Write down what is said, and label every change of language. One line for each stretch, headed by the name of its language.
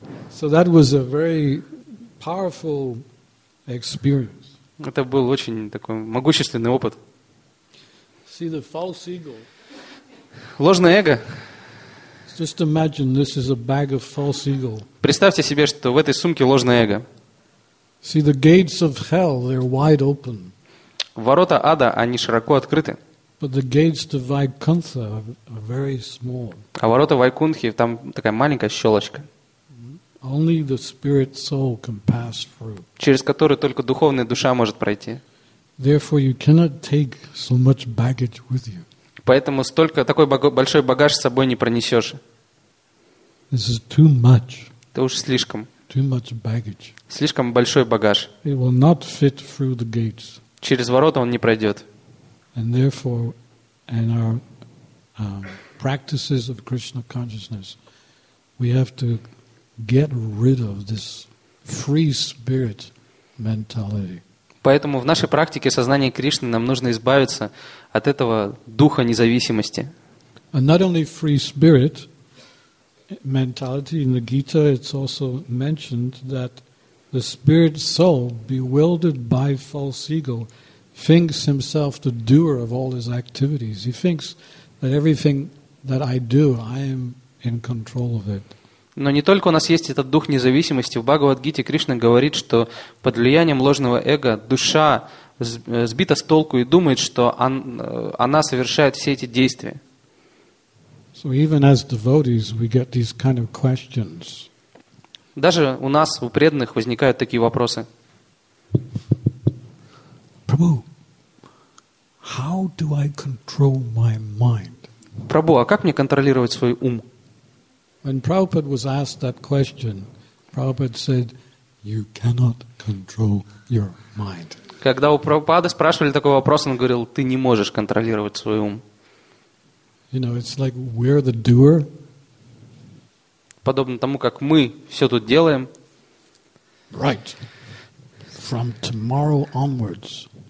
English: So that was a very powerful experience.
Russian: Это был очень такой могущественный опыт.
English: See the false ego.
Russian: Ложное эго.
English: Just imagine this is a bag of false ego.
Russian: Представьте себе, что в этой сумке ложное эго.
English: See the gates of hell, they're wide open.
Russian: Ворота ада, они широко открыты.
English: But the gates to Vaikuntha are very small.
Russian: А ворота Вайкунхи, там такая маленькая щелочка.
English: Only the spirit soul can pass through.
Russian: Через который только духовная душа может пройти.
English: Therefore, you cannot take so much baggage with you.
Russian: Поэтому столько такой большой багаж с собой не пронесешь.
English: This is too much.
Russian: Это уж слишком.
English: Too much baggage.
Russian: Слишком большой багаж.
English: It will not fit through the gates.
Russian: Через ворота он не пройдет.
English: And therefore, and our practices of Krishna consciousness, we have to get rid of this free spirit mentality.
Russian: Поэтому в нашей практике сознания Кришны нам нужно избавиться от этого духа независимости.
English: And not only free spirit mentality, in the Gita it's also mentioned that the spirit soul, bewildered by false ego, thinks himself the doer of all his activities. He thinks that everything that I do, I am in control of it.
Russian: Но не только у нас есть этот дух независимости. В Бхагавад-гите Кришна говорит, что под влиянием ложного эго душа сбита с толку и думает, что она совершает все эти действия.
English: So even as devotees, we get these kind of questions.
Russian: Даже у нас, у преданных, возникают такие вопросы.
English: Prabhu, how do I control my mind?
Russian: Прабху, а как мне контролировать свой ум?
English: When Prabhupada was asked that question, Prabhupada said, you cannot control your mind.
Russian: Когда у Прабхупады спрашивали такой вопрос, он говорил, ты не можешь контролировать свой ум.
English: You know, it's like we're the doer.
Russian: Подобно тому, как мы все тут делаем.
English: Right. From tomorrow onwards.